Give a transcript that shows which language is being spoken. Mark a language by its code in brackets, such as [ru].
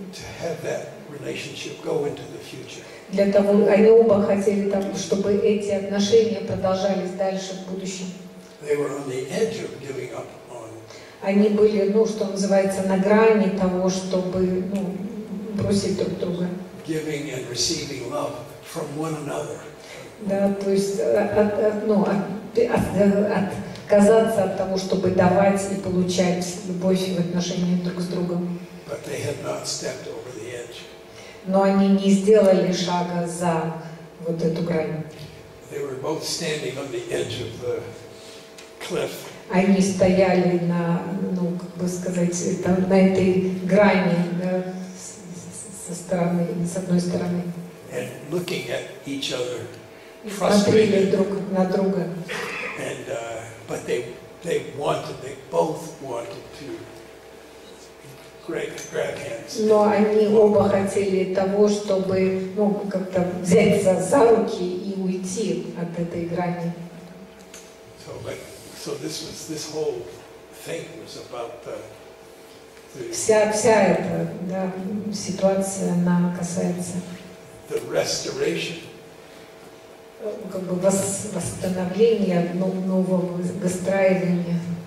[en] To have that relationship go into the future. [ru] Для того, они оба хотели того, чтобы эти отношения продолжались дальше в будущем. [en] They were on the edge of giving up. [ru] Они были, ну, что называется, на грани того, чтобы, ну, бросить друг друга. [en] Giving and receiving love from one another. [ru] Да, то есть, отказаться от того, чтобы давать и получать любовь в отношении друг с другом. [en] But they had not stepped over the edge. [ru] Но они не сделали шага за вот эту грань. [en] They were both standing on the edge of the cliff. [ru] Они стояли на, ну, как бы сказать, там, на этой грани, да, со стороны, с одной стороны. [en] And looking at each other, frustrated. [ru] И смотрели друг на друга. [en] And, but they wanted, they both wanted to grab hands. [ru] Но они оба хотели того, чтобы, ну, как-то взять за руки и уйти от этой грани. [en] So this whole thing was about the restoration. [ru] Как бы восстановление, нового выстраивания.